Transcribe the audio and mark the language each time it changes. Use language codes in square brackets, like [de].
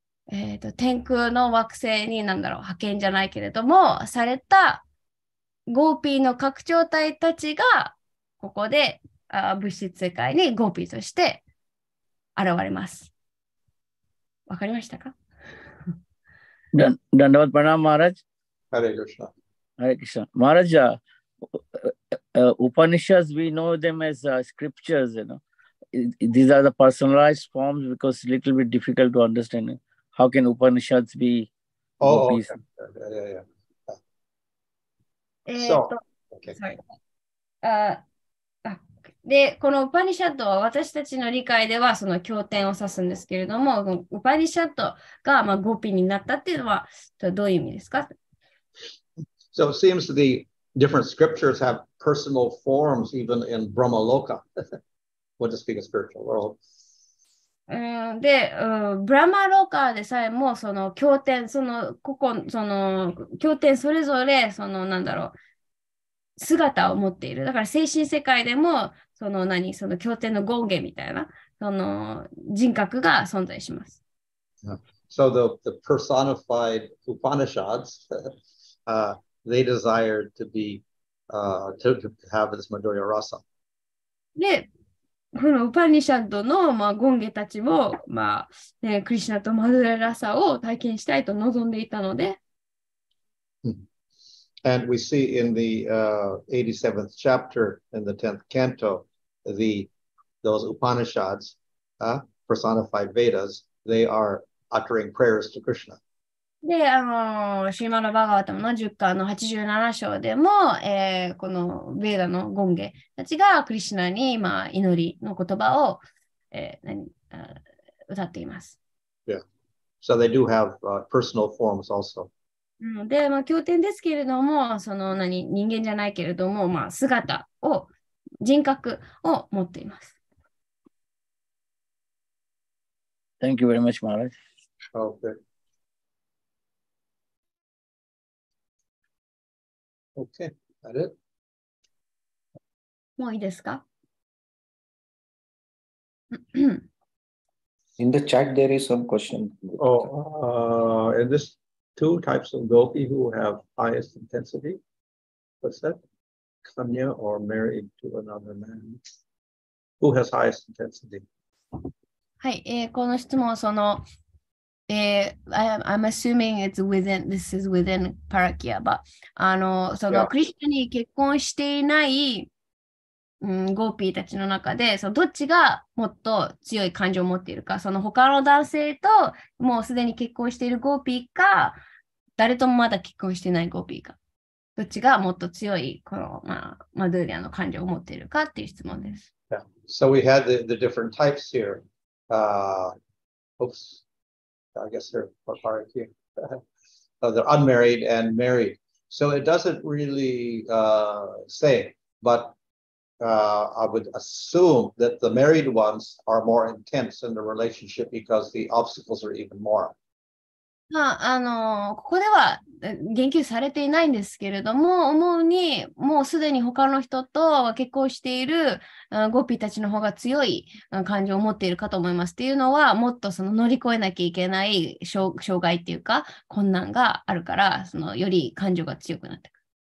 [ja] 天空の惑星に何だろう派遣じゃないけれどもされたゴーピーの拡張体たちがここで物質世界にゴーピーとして現れますわかりましたかダンダバッパナマーラジハ [en] レクシャマーラジャUpanishads, we know them as scriptures, you know. These are the personalized forms because it's a little bit difficult to understand. How can Upanishads be? Oh, okay. Yeah, yeah, yeah. So, okay. Sorry. [ja] で、このウパニシャッドは私たちの理解ではその経典を指すんですけれども、ウパニシャッドがまあゴピになったっていうのはどういう意味ですか？ [en] So it seems the different scriptures have personal forms even in Brahma Loka, what to speak of spiritual world. [ja] で、ブラマロカでさえもその経典、その個々その経典それぞれそのなんだろう。姿を持っている。だから精神世界でもその何その経典の権限みたいなその人格が存在します。 [en] So the personified Upanishads, they desired to be, to have this Madhurya Rasa. [ja] で、このウパニシャッドのまあ権限たちもまあね、クリシナとマドゥララサを体験したいと望んでいたので。 [en] And we see in the 87th chapter in the 10th canto, those Upanishads, personified Vedas, they are uttering prayers to Krishna. [ja] で、シーマラ・バガワタムの10巻の87章でも、このベーダのゴンゲたちがクリシナに、まあ、祈りの言葉を、歌っています。 [en] Yeah. So they do have personal forms also. [ja] で、まあ、経典ですけれども、その何、人間じゃないけれども、まあ、姿を、人格を持っています。 [en] Thank you very much, Maharaj. Okay. Okay, that it? [ja] もういいですか？ [en] In the chat, there is some question. In this... Two types of gopi who have highest intensity, what's that? Kanya or married to another man? Who has highest intensity? [ja] はい、この質問その、 [en] I'm assuming it's within, this is within Parakya, but, [ja] その、クリシュナに結婚していない、ゴーピーたちの中でそのどっちがもっと強い感情を持っているか、その他の男性ともうすでに結婚しているゴーピーか、誰ともまだ結婚していないゴーピーか、どっちがもっと強いこの、まあ、マドゥリアの感情を持っているかっていう質問です。 [en] Yeah. So we had the different types here. Oops. I guess they're part here. They're unmarried and married. So it doesn't really say, but I would assume that the married ones are more intense in the relationship because the obstacles are even more. [ja] まあ、ここでは言及されていないんですけれども、思うに、もうすでに他の人と結婚しているゴピーたちの方が強い感情を持っているかと思います。っていうのは、もっとその乗り越えなきゃいけない障害っていうか、困難があるから、そのより感情が強くなっていく。